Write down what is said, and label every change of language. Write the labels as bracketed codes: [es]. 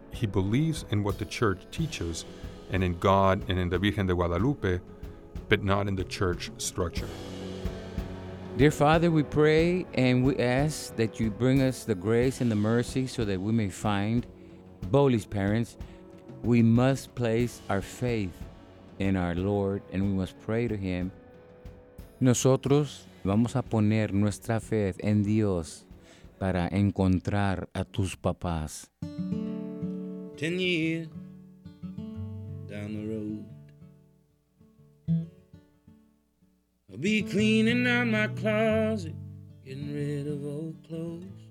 [en] He believes in what the church teaches, and in God, and in the Virgen de Guadalupe, but not in the church structure. Dear Father, we pray and we ask that you bring us the grace and the mercy so that we may find Boley's parents. We must place our faith in our Lord, and we must pray to him. [es] Nosotros vamos a poner nuestra fe en Dios para encontrar a tus papás. [en] 10 years down the road, I'll be cleaning out my closet, getting rid of old clothes.